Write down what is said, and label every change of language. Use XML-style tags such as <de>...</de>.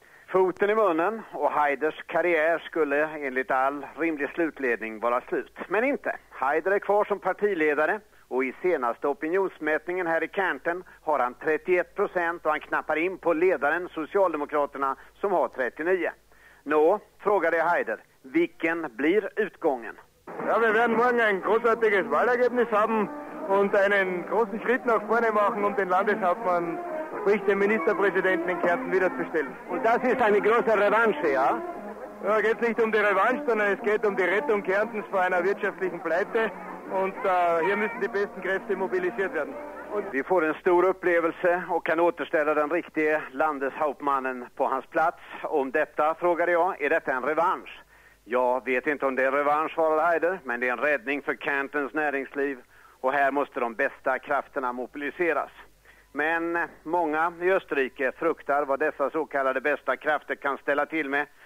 <sv>Foten i munnen och Haiders karriär skulle enligt all rimlig slutledning vara slut. Men inte. Haider är kvar som partiledare, och i senaste opinionsmätningen här i Kärnten har han 31% och han knappar in på ledaren Socialdemokraterna som har 39. Nå, frågade Haider, vilken blir utgången?</sv> <de>Ja, wir werden morgen ein großartiges Wahlergebnis haben und einen großen Schritt nach vorne machen, um den Landeshauptmann, sprich den Ministerpräsidenten in Kärnten, wiederzustellen. Und das ist eine große Revanche, ja? Ja, geht nicht um die Revanche, sondern es geht um die Rettung Kärntens vor einer wirtschaftlichen Pleite. Und hier müssen die besten Kräfte mobilisiert werden.</de> <sv>Vi får en stor upplevelse och kan återställa den riktige landeshauptmannen på hans plats. Om detta, frågade jag, är detta en revansch? Jag vet inte om det är revansch, svarade Haider, men det är en räddning för Kärntens näringsliv. Och här måste de bästa krafterna mobiliseras. Men många i Österrike fruktar vad dessa så kallade bästa krafter kan ställa till med.</sv>